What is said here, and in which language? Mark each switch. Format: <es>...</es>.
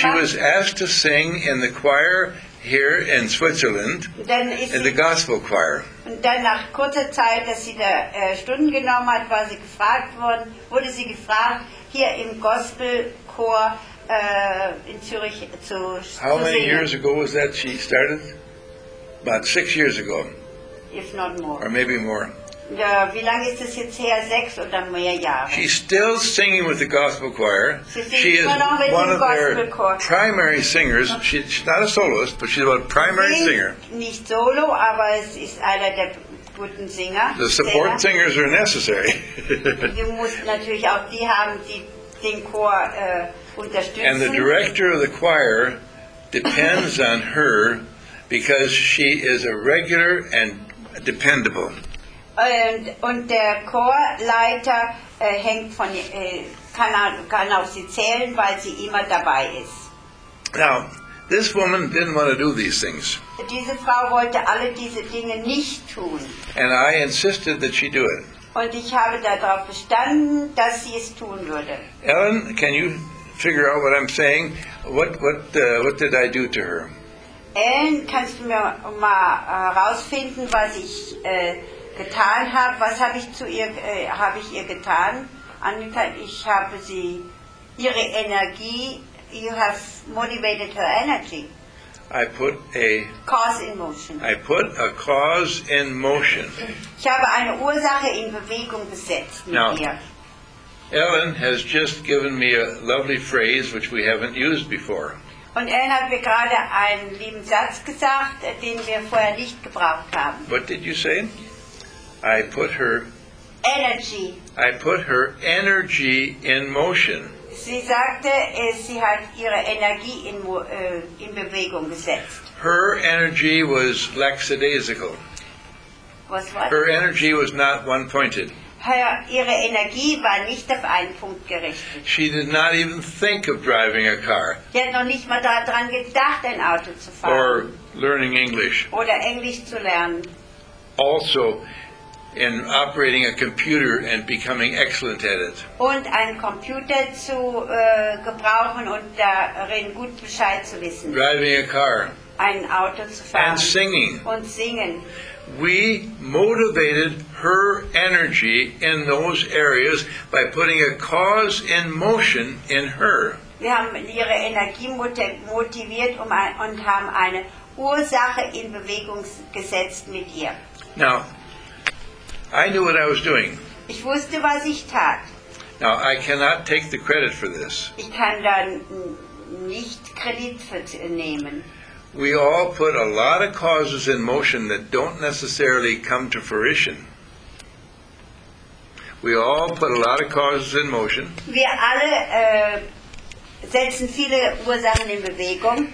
<en>She was asked to sing in the choir here in Switzerland, in the gospel choir.</en> <de>Und dann nach kurzer Zeit, dass sie da Stunden genommen hat, war sie gefragt worden, wurde sie gefragt, hier im Gospelchor in Zürich zu singen.</de> <en>How many years ago was that she started? About 6 years ago. If not more. Or maybe more.</en> <de>Ja, wie lange ist das jetzt her? 6 oder mehr Jahre.</de> <en>She's still singing with the gospel choir. She is one of their primary singers. She's not a soloist, but she's a primary singer.</en> <de>Nicht solo, aber es ist einer der guten Singer.</de> <en>The support singers are necessary.</en> <de>Du musst natürlich auch die haben, die den Chor unterstützen.</de> <en>And the director of the choir depends on her because she is a regular and dependable.</en> <de>Und der Chorleiter hängt von kann auf sie zählen, weil sie immer dabei ist.</de> <en>Now, this woman didn't want to do these things.</en> <de>Diese Frau wollte alle diese Dinge nicht tun.</de> <en>And I insisted that she do it.</en> <de>Und ich habe darauf bestanden, dass sie es tun würde.</de> <en>Ellen, can you figure out what I'm saying? What did I do to her?</en> <de>Ellen, kannst du mir mal herausfinden, was ich getan habe, was habe ich zu ihr habe ich ihr getan? Angetan, ich habe sie ihre Energie,</de> <en>you have motivated her energy. I put a cause in motion. I put a cause in motion.</en> <de>Ich habe eine Ursache in Bewegung gesetzt mit</de> <en>Now,</en> <de>ihr.</de> <en>Ellen has just given me a lovely phrase which we haven't used before.</en> <de>Und Ellen hat mir gerade einen lieben Satz gesagt, den wir vorher nicht gebraucht haben.</de> <en>What did you say? I put her energy. I put her energy in motion.</en> <de>Sie sagte, sie hat ihre Energie in Bewegung gesetzt.</de> <en>Her energy was lackadaisical.</en> <de>Was war?</de> <en>Her energy was not one-pointed.</en> <de>Ihre Energie war nicht auf einen Punkt gerichtet.</de> <en>She did not even think of driving a car.</en> <de>Sie hat noch nicht mal daran gedacht, ein Auto zu fahren.</de> <en>Or learning English.</en> <de>Oder Englisch zu lernen.</de> <en>Also in operating a computer and becoming excellent at it.</en> <de>Und einen Computer zu gebrauchen und darin gut Bescheid zu wissen.</de> <en>Driving a car.</en> <de>Ein Auto zu fahren.</de> <en>And singing.</en> <de>Und singen.</de> <en>We motivated her energy in those areas by putting a cause in motion in her.</en> <de>Wir haben ihre Energie motiviert und haben eine Ursache in Bewegung gesetzt mit ihr.</de> <en>Now, I knew what I was doing.</en> <de>Ich wusste, was ich tat.</de> <en>Now, I cannot take the credit for this.</en> <de>Ich kann da nicht Kredit für nehmen.</de> <en>We all put a lot of causes in motion that don't necessarily come to fruition. We all put a lot of causes in motion.</en> <de>Wir alle setzen viele Ursachen in Bewegung.</de>